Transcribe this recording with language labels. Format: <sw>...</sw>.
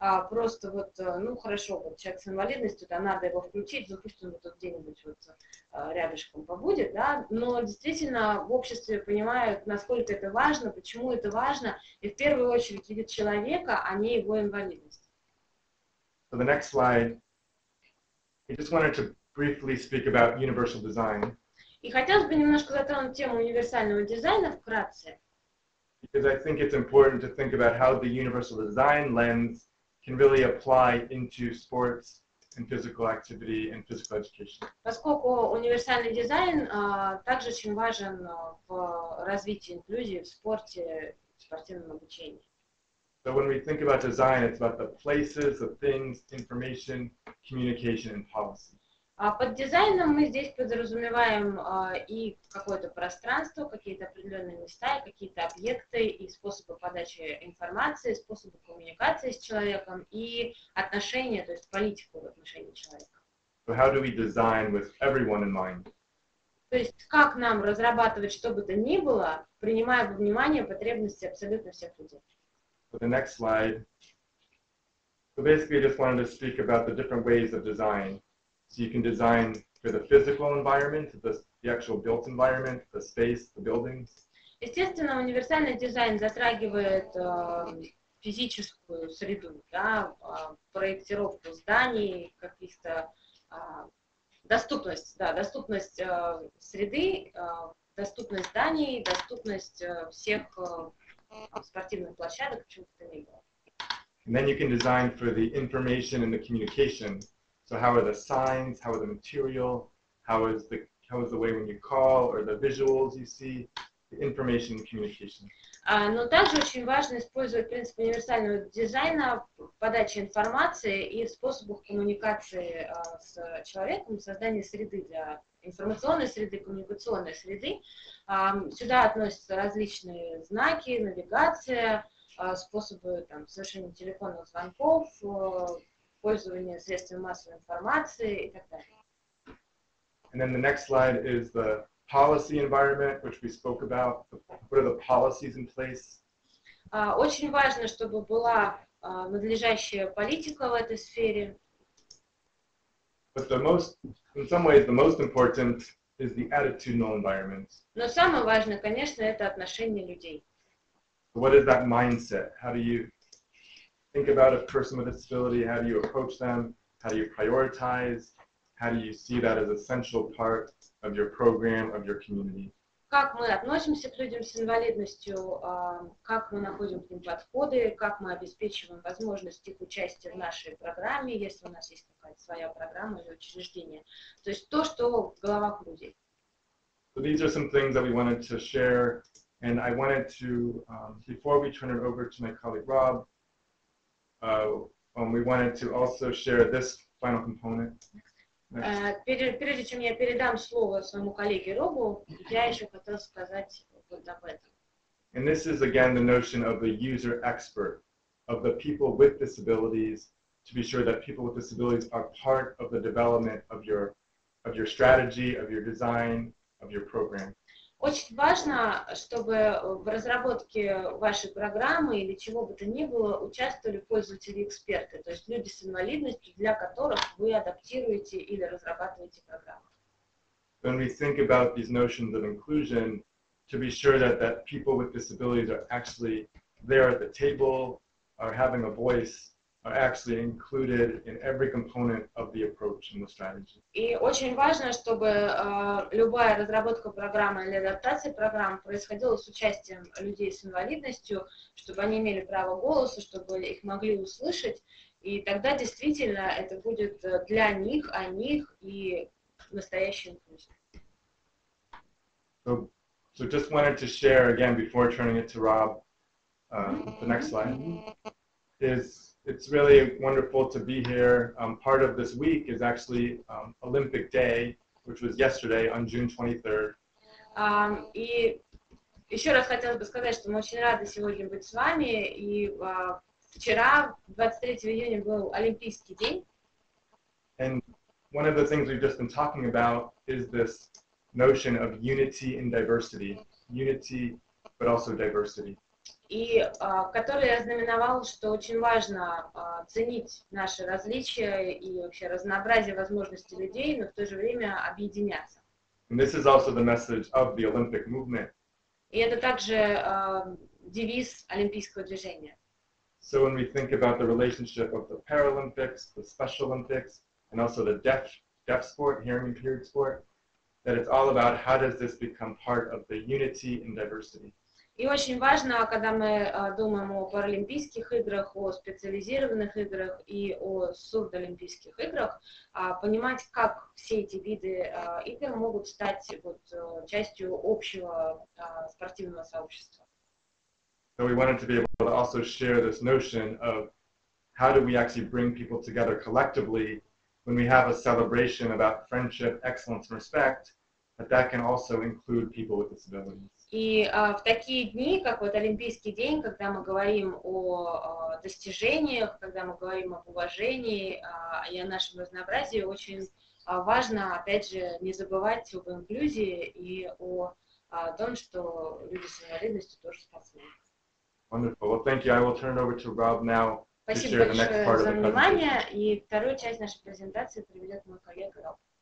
<ru>просто вот, ну хорошо, вот человек с инвалидностью, да, надо его включить, пусть он тут где-нибудь вот рядышком побудет, да, но действительно в обществе понимают, насколько это важно, почему это важно, и в первую очередь видят человека, а не его инвалидность.</ru> <en>So the next slide, I just wanted to briefly speak about universal design.</en> <ru>И хотелось бы немножко затронуть тему универсального дизайна вкратце.</ru> <en>Because I think it's important to think about how the universal design lens can really apply into sports and physical activity and physical education.</en> <ru>Поскольку универсальный дизайн также очень важен в развитии инклюзии в спорте, в спортивном обучении.</ru> <en>So when we think about design, it's about the places, the things, information, communication, and policy.</en> <ru>Под дизайном мы здесь подразумеваем и какое-то пространство, какие-то определенные места, какие-то объекты, и способы подачи информации, способы коммуникации с человеком, и отношения, то есть политику в отношении человека.</ru> <en>So how do we design with everyone in mind?</en> <ru>То есть как нам разрабатывать что бы то ни было, принимая во внимание потребности абсолютно всех людей?</ru> <en>For the next slide. So basically, I just wanted to speak about the different ways of design. So you can design for the physical environment, the actual built environment, the space, the buildings.</en> <ru>Естественно, универсальный дизайн затрагивает физическую среду, да, проектировку зданий, каких-то доступность среды, доступность зданий, доступность всех спортивных площадок, чего-то не было.</ru> <en>And then you can design for the information and the communication. So how are the signs, how are the material, how is the way when you call, or the visuals you see, the information and communication.</en> <ru>Но также очень важно использовать принцип универсального дизайна подачи информации и в способах коммуникации с человеком, создания среды для информационной среды, коммуникационной среды. Сюда относятся различные знаки, навигация, способы там, совершения телефонных звонков, пользование средствами массовой информации и так далее.</ru> <en>And then the next slide is the policy environment, which we spoke about. What are the policies in place?</en> <ru>Очень важно, чтобы была надлежащая политика в этой сфере.</ru> <en>But the most, in some ways, the most important is the attitudinal environment.</en> <ru>Но самое важное, конечно, это отношение людей.</ru> <en>What is that mindset? How do you think about a person with a disability? How do you approach them? How do you prioritize? How do you see that as an essential part of your program, of your community?</en> <ru>как мы относимся к людям с инвалидностью, как мы находим к ним подходы, как мы обеспечиваем возможность их участия в нашей программе, если у нас есть какая-то своя программа или учреждение. То есть то, что в головах людей.</ru> <en>So these are some things that we wanted to share, and I wanted to, before we turn it over to my colleague Rob, we wanted to also share this final component.</en> <ru>Прежде чем я передам слово своему коллеге Робу, я еще хотел сказать вот об этом.</ru> <en>And this is again the notion of the user expert, of the people with disabilities, to be sure that people with disabilities are part of the development of your strategy, of your design, of your program.</en> <ru>Очень важно, чтобы в разработке вашей программы или чего бы то ни было участвовали пользователи-эксперты, то есть люди с инвалидностью, для которых вы адаптируете или разрабатываете программу.</ru> <en>When we think about these notions of inclusion, to be sure that, that people with disabilities are actually there at the table, are having a voice, are actually included in every component of the approach and the strategy.</en> <ru>И очень важно, чтобы любая разработка программы или адаптация программ происходила с участием людей с инвалидностью, чтобы они имели право голоса, чтобы их могли услышать, и тогда действительно это будет для них, о них и настоящая инклюзия.</ru> <en>So just wanted to share again before turning it to Rob, the next slide is it's really wonderful to be here. Part of this week is actually Olympic Day, which was yesterday on June 23rd.</en> <ru>И еще раз хотелось бы сказать, что мы очень рады сегодня быть с вами. И вчера, 23 июня, был Олимпийский день.</ru> <en>And one of the things we've just been talking about is this notion of unity and diversity. Unity, but also diversity.</en> <ru>И который ознаменовал, что очень важно ценить наши различия и вообще разнообразие возможностей людей, но в то же время объединяться.</ru> <en>And this is also the message of the Olympic movement.</en> <ru>И это также девиз олимпийского движения.</ru> <en>So when we think about the relationship of the Paralympics, the Special Olympics, and also the deaf sport, hearing impaired sport, that it's all about how does this become part of the unity and diversity.</en> <ru>И очень важно, когда мы думаем о паралимпийских играх, о специализированных играх и о сурдолимпийских играх, понимать, как все эти виды игр могут стать вот, частью общего спортивного сообщества.</ru> <en>So we wanted to be able to also share this notion of how do we actually bring people together collectively when we have a celebration about friendship, excellence and respect, but that can also include people with disabilities.</en> <ru>И в такие дни, как вот Олимпийский день, когда мы говорим о достижениях, когда мы говорим об уважении и о нашем разнообразии, очень важно, опять же, не забывать об инклюзии и о том, что люди с инвалидностью тоже спортсмены.</ru> <en>Wonderful. Well, thank you. I will turn it over to Rob now to share the next part of the</en> <ru>Спасибо большое за внимание. И вторую часть нашей презентации приведет мой коллега Роб.</ru>